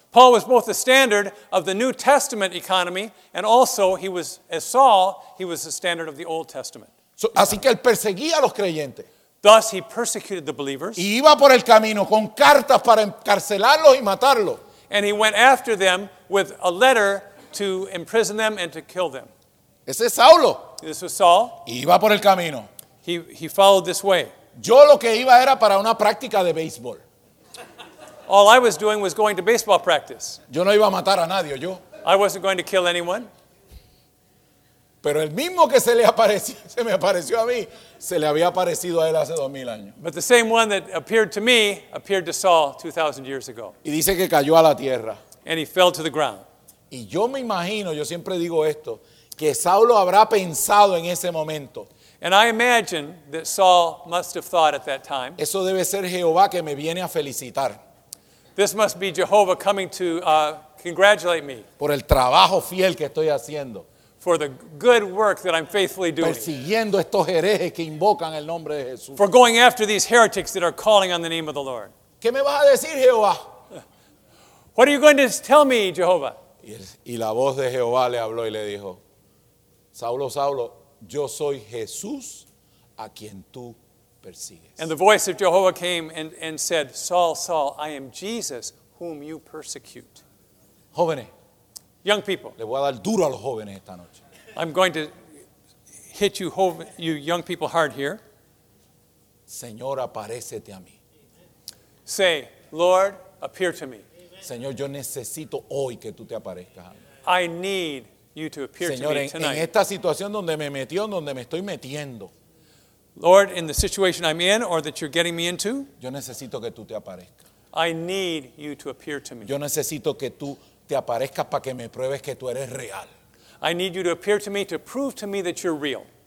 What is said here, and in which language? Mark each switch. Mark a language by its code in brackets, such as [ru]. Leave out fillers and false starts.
[en] Paul was both the standard of the New Testament economy and also he was, as Saul, he was the standard of the Old Testament. [es] Así que él perseguía a los creyentes. [en] Thus he persecuted the believers. [es] Y iba por el camino con cartas para encarcelarlos y matarlos. [en] And he went after them with a letter to imprison them and to kill them. [es] Ese es Saulo. [en] This was Saul. [es] Iba por el camino. [en] He followed this way. [es] Yo lo que iba era para una práctica de béisbol. [en] All I was doing was going to baseball practice. [es] Yo no iba a matar a nadie, yo. [en] I wasn't going to kill anyone. [es] Pero el mismo que se me apareció a mí, se le había aparecido a él hace 2,000 años. [en] But the same one that appeared to me appeared to Saul 2,000 years ago. [es] Y dice que cayó a la tierra. [en] And he fell to the ground. [es] Y yo me imagino, yo siempre digo esto, que Saulo habrá pensado en ese momento. [en] And I imagine that Saul must have thought at that time. [es] Eso debe ser Jehová que me viene a felicitar. [en] This must be Jehovah coming to congratulate me. [es] Por el trabajo fiel que estoy haciendo. [en] For the good work that I'm faithfully doing. [es] Persiguiendo estos herejes que invocan el nombre de Jesús. [en] For going after these heretics that are calling on the name of the Lord. [es] ¿Qué me vas a decir, Jehová? [en] What are you going to tell me, Jehovah? [es] Y la voz de Jehová le habló y le dijo, Saulo, Saulo, yo soy Jesús a quien tú persigues. [en] And the voice of Jehovah came and said, Saul, Saul, I am Jesus whom you persecute. [es] Jóvenes. [en] Young people. [es] Le voy a dar duro a los jóvenes esta noche. [en] I'm going to hit you young people hard here. [es] Señor, aparécete a mí. [en] Say, Lord, appear to me. [es] Señor, yo necesito hoy que tú te aparezcas a mí. [en] I need you to appear [es] Señor, [en] to me tonight. [es] Señor, en esta situación donde me metió, donde me estoy metiendo. [en] Lord, in the situation I'm in or that you're getting me into. [es] Yo necesito que tú te aparezcas. [en] I need you to appear to me. [es] Yo necesito que tú te aparezcas para que me pruebes que tú eres real. [en] I need you to appear to me to prove to me that you're real.